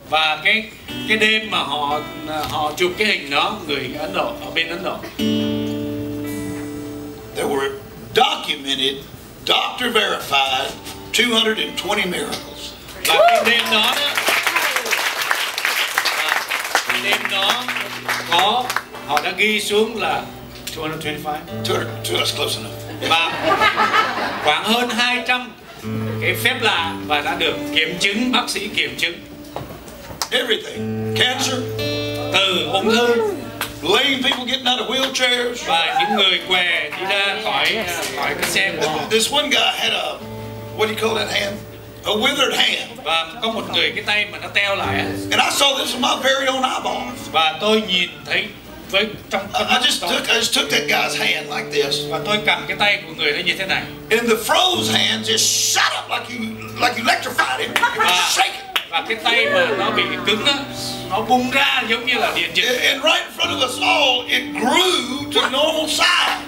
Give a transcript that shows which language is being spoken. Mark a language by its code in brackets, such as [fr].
[vi] Và cái đêm mà họ chụp cái hình đó, người Ấn Độ ở bên Ấn Độ. [en] There were documented, doctor verified 220 miracles. [vi] Và cái đêm đó có, họ đã ghi xuống là 225. [en] To us, close enough. [vi] Và khoảng hơn 200 cái phép lạ và đã được kiểm chứng, bác sĩ kiểm chứng. [en] Everything. Cancer. [vi] Từ ung thư. [en] Lame people getting out of wheelchairs. [vi] Và những người què đi ra khỏi cái xe của họ. [en] This one guy had a, what do you call that hand? A withered hand. [vi] Và có một người cái tay mà nó teo lại. [en] And I saw this with my very own eyeballs. [vi] Và tôi nhìn thấy. [en] I just took that guy's hand like this. [vi] Và tôi cầm cái tay của người đó như thế này. [en] And the froze hand just shot up like you electrified him. It was shaking. [vi] Và cái tay mà nó bị cứng đó, nó bung ra giống như là điện giật. [en] And right in front of us all, it grew to normal size.